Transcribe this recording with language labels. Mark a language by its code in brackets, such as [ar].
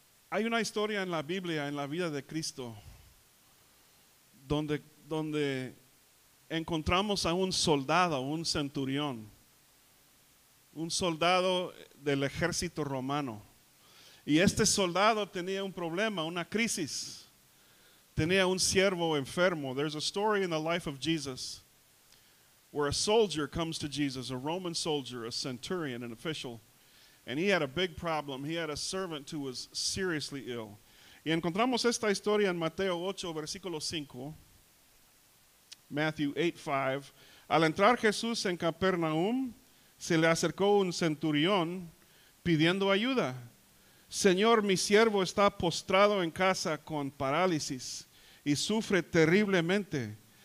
[es] Hay una historia en la Biblia, en la vida de Cristo, donde encontramos a un soldado, un centurión, un soldado del ejército romano. Y este soldado tenía un problema, una crisis. Tenía un siervo enfermo. [en] There's a story in the life of Jesus where a soldier comes to Jesus, a Roman soldier, a centurion, an official, and he had a big problem. He had a servant who was seriously ill. [es] Y encontramos esta historia en Mateo 8, versículo 5, Matthew 8, 5. Al entrar Jesús en Capernaum, se le acercó un centurión pidiendo ayuda. Señor, mi siervo está postrado en casa con parálisis y sufre terriblemente.